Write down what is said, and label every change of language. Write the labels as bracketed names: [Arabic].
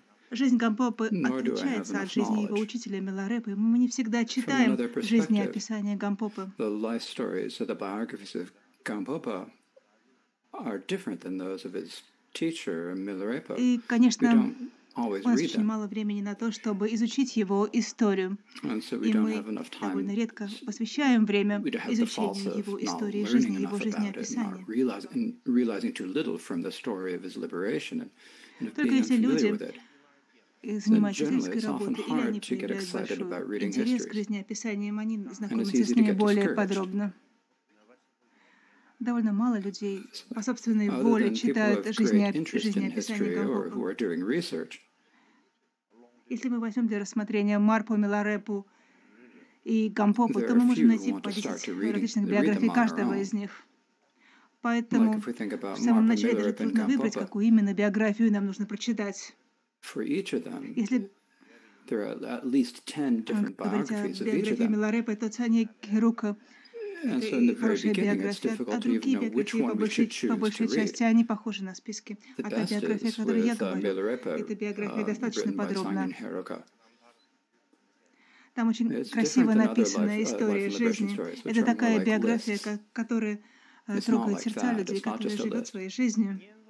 [Russian] Жизнь Гампопы отличается от жизни его учителя Миларепы. Мы не всегда читаем жизни и описания Гампопы. [English] The life stories or the biographies of Gampopa are different than those of his teacher Milarepa. [Russian] И, конечно, у нас очень мало времени на то, чтобы изучить его историю. И мы довольно редко посвящаем время изучению его истории, жизни, его жизнеописания. Только если люди занимаются исследовательской работой, или они проявляют большой интерес к жизнеописаниям, они знакомятся с ними более подробно. Довольно мало людей по собственной воле читают жизнеописания Гампопы. Если мы возьмем для рассмотрения Марпу, Миларепу и Гампопу, то мы можем найти по 10 различных биографий каждого из них. Поэтому в самом начале даже трудно выбрать, какую именно биографию нам нужно прочитать. [English] For each of them, there are at least 10 different biographies of each of them. And so in the very beginning, it's difficult to even know which one we should choose to read. [Russian] Они похожи на списки. А та биография, которую я говорю, это биография достаточно подробная. Там очень красиво написанная история жизни. Это такая биография, которая трогает сердца людей, которые живут своей жизнью.